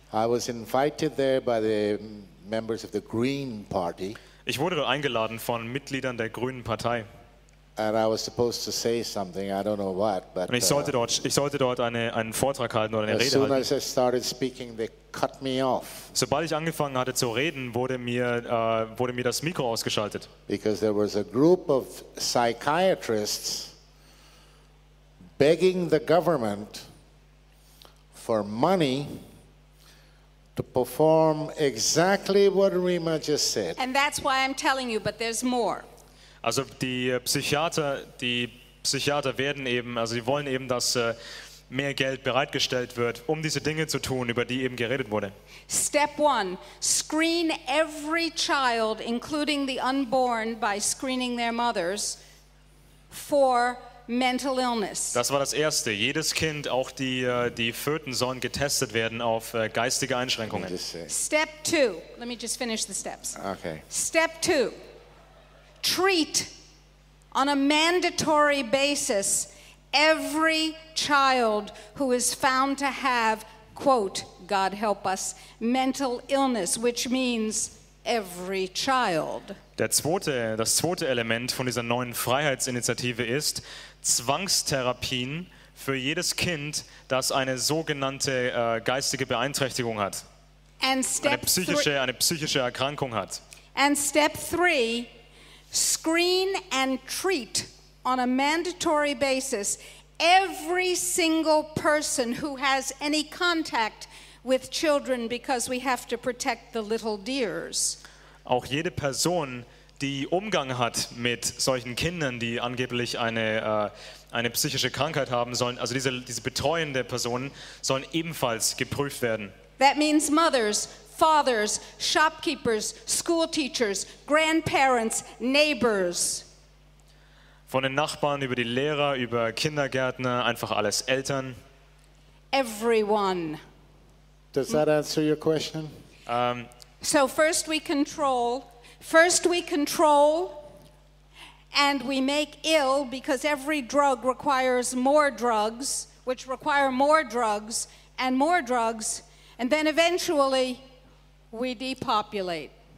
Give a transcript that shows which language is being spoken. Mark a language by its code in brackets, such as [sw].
[en] I was invited there by the members of the Green Party. [de] Ich wurde dort eingeladen von Mitgliedern der Grünen Partei. [en] And I was supposed to say something, I don't know what, but [de] ich sollte dort einen Vortrag halten oder eine Rede halten. [en] As soon as I started speaking, they cut me off. [de] Sobald ich angefangen hatte zu reden, wurde mir das Mikro ausgeschaltet. [en] Because there was a group of psychiatrists begging the government for money to perform exactly what Rima just said. And that's why I'm telling you, but there's more. [de] Also die Psychiater werden eben, also sie wollen eben, dass mehr Geld bereitgestellt wird, um diese Dinge zu tun, über die eben geredet wurde. [en] Step 1, screen every child, including the unborn, by screening their mothers for mental illness. [de] Das war das Erste. Jedes Kind, auch die Föten, sollen getestet werden auf geistige Einschränkungen. [en] Step 2, let me just finish the steps. Okay. Step 2. Treat on a mandatory basis every child who is found to have, quote, God help us, mental illness, which means every child. [de] Das zweite Element von dieser neuen Freiheitsinitiative ist Zwangstherapien für jedes Kind, das eine sogenannte geistige Beeinträchtigung hat, eine psychische Erkrankung hat. [en] And step 3, screen and treat on a mandatory basis every single person who has any contact with children, because we have to protect the little dears. [de] Auch jede Person, die Umgang hat mit solchen Kindern, die angeblich eine psychische Krankheit haben sollen, also diese betreuende Personen sollen ebenfalls geprüft werden. [en] That means mothers, fathers, shopkeepers, school teachers, grandparents, neighbors. [de] Von den Nachbarn über die Lehrer, über Kindergärtner, einfach alles, Eltern. [en] Everyone. Does that answer your question? So first we control and we make ill, because every drug requires more drugs, which require more drugs and more drugs, and then eventually we depopulate.